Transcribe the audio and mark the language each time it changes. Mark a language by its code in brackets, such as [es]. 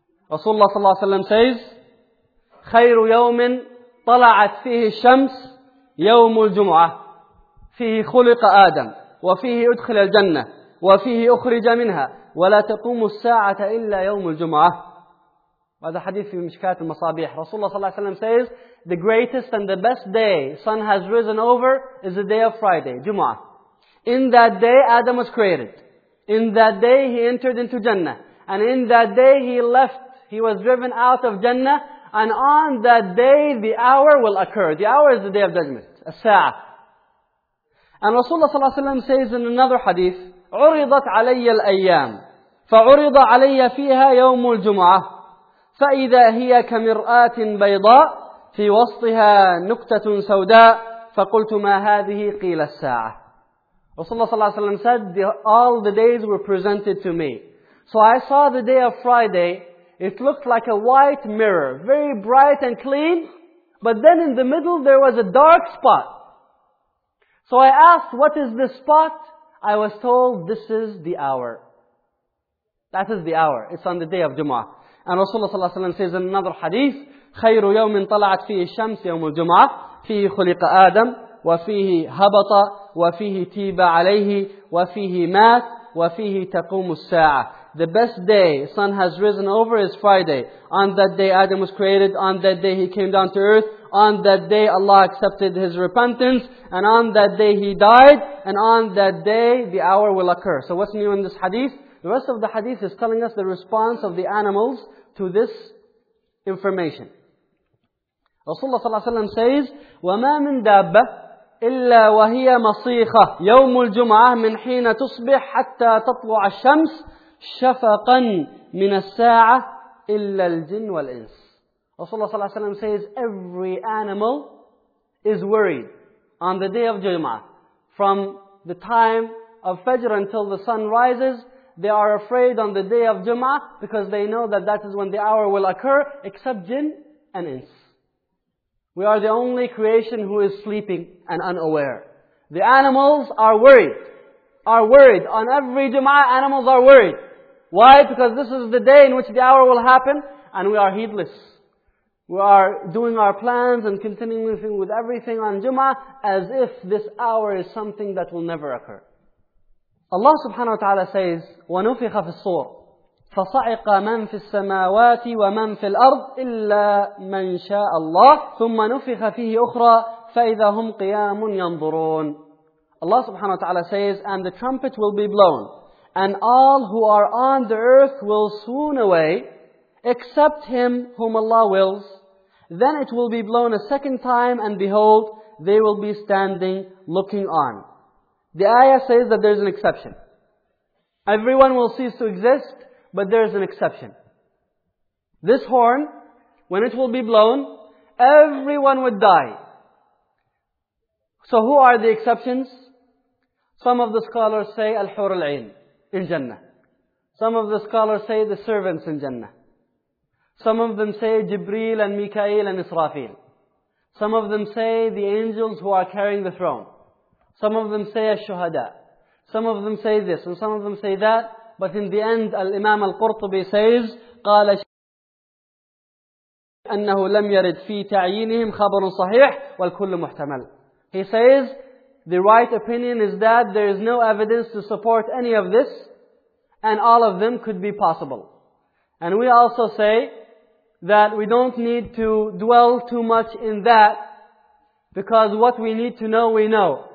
[en] Rasulullah sallallahu alayhi wa sallam says, [ar] خَيْرُ يَوْمٍ طَلَعَتْ فِيهِ الشَّمْسِ يَوْمُ الْجُمْعَةِ فِيهِ خُلِقَ آدَمْ وَفِيهِ أُدْخِلَ الْجَنَّةِ وَفِيهِ أُخْرِجَ مِنْهَا وَلَا تَقُومُ السَّاعَةَ إِلَّا يَوْمُ الْجُمْعَةِ. هذا حديث في مشكات المصابيح. [en] Rasulullah sallallahu alayhi wa sallam says, the greatest and the best day sun has risen over is the day of Friday, Jum'ah. In that day, Adam was created. In that day, he entered into Jannah. And in that day, he left. He was driven out of Jannah. And on that day, the hour will occur. The hour is the day of judgment. As-sa'ah. And Rasulullah sallallahu alayhi wa sallam says in another hadith, [ar] عُرِضَتْ عَلَيَّ الْأَيَّامِ فَعُرِضَ عَلَيَّ فِيهَا يَوْمُ الْجُمْعَةِ فَإِذَا هِيَ كَمِرْآةٍ بَيْضَاءِ في وسطها نقطة سوداء فقلت ما هذه قيل الساعة. [en] Rasulullah صلى الله عليه وسلم said, all the days were presented to me. So I saw the day of Friday, it looked like a white mirror, very bright and clean, but then in the middle there was a dark spot. So I asked, what is this spot? I was told, this is the hour. That is the hour. It's on the day of Jum'ah. And Rasulullah صلى الله عليه وسلم says in another hadith, [ar] خير يوم طلعت فيه الشمس يوم الجمعة فيه خلق آدم وفيه هبط وفيه تيب عليه وفيه مات وفيه تقوم الساعة. [en] The best day sun has risen over is Friday. On that day Adam was created. On that day he came down to earth. On that day Allah accepted his repentance. And on that day he died. And on that day the hour will occur. So what's new in this hadith? The rest of the hadith is telling us the response of the animals to this information. Rasulullah sallallahu alayhi wa sallam says, [ar] وَمَا مِنْ دَابَّةٍ إِلَّا وَهِيَ مَصِيخَةٍ يَوْمُ الْجُمْعَةِ مِنْ حِينَ تُصْبِحْ حَتَّى تَطْلُعَ الشَّمْسِ شَفَقًا مِنَ السَّاعَةِ إِلَّا الْجِنِّ وَالْإِنسِ. [en] Rasulullah sallallahu alayhi wa sallam says, every animal is worried on the day of Jum'ah. From the time of Fajr until the sun rises, they are afraid on the day of Jum'ah because they know that that is when the hour will occur, except jinn and ins. We are the only creation who is sleeping and unaware. The animals are worried. On every Jum'ah, animals are worried. Why? Because this is the day in which the hour will happen and we are heedless. We are doing our plans and continuing with everything on Jum'ah as if this hour is something that will never occur. Allah subhanahu wa ta'ala says, [ar] وَنُفِخَ فِي الصُّورِ فَصَعِقَ مَنْ فِي السَّمَاوَاتِ وَمَنْ فِي الْأَرْضِ إِلَّا مَنْ شَاءَ اللَّهِ ثُمَّ نُفِخَ فِيهِ أُخْرَى فَإِذَا هُمْ قِيَامٌ يَنْظُرُونَ. [en] Allah subhanahu wa ta'ala says, and the trumpet will be blown, and all who are on the earth will swoon away, except him whom Allah wills. Then it will be blown a second time, and behold, they will be standing looking on. The ayah says that there's an exception. Everyone will cease to exist, but there is an exception. This horn, when it will be blown, everyone would die. So who are the exceptions? Some of the scholars say al-hur al-ayn in Jannah. Some of the scholars say the servants in Jannah. Some of them say Jibreel and Mikael and Israfil. Some of them say the angels who are carrying the throne. Some of them say al-shuhada. Some of them say this, and some of them say that. But in the end, Imam al-Qurtubi says, [ar] قال أنه لم يرد في تعيينهم خبر صحيح والكل محتمل. [en] He says, the right opinion is that there is no evidence to support any of this, and all of them could be possible. And we also say that we don't need to dwell too much in that, because what we need to know, we know.